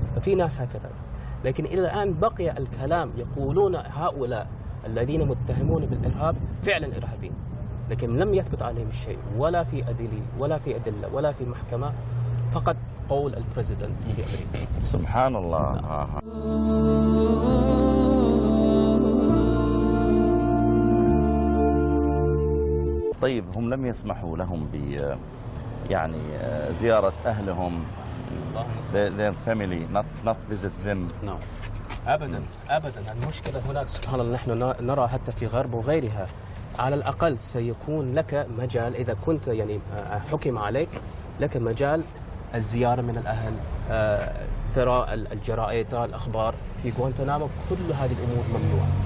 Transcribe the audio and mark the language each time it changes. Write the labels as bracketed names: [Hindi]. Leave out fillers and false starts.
[Arabic] ففي ناس هكذا لكن إلى الآن بقي الكلام يقولون هؤلاء الذين متهمون بالإرهاب فعلا إرهابيين لكن لم يثبت عليهم شيء ولا في أدلة ولا في أدلة ولا في محكمة فقط قول البريزيدنت في أمريكا. سبحان الله. طيب هم لم يسمحوا لهم ب يعني زيارة أهلهم. [English] Their family not visit them. No. [Arabic] أبداً المشكلة هناك سبحان الله نحن نرى حتى في غرب وغيرها على الأقل سيكون لك مجال إذا كنت يعني حكم عليك لك مجال الزيارة من الأهل ترى الجرائد ترى الأخبار في غوانتانامو كل هذه الأمور ممنوعة.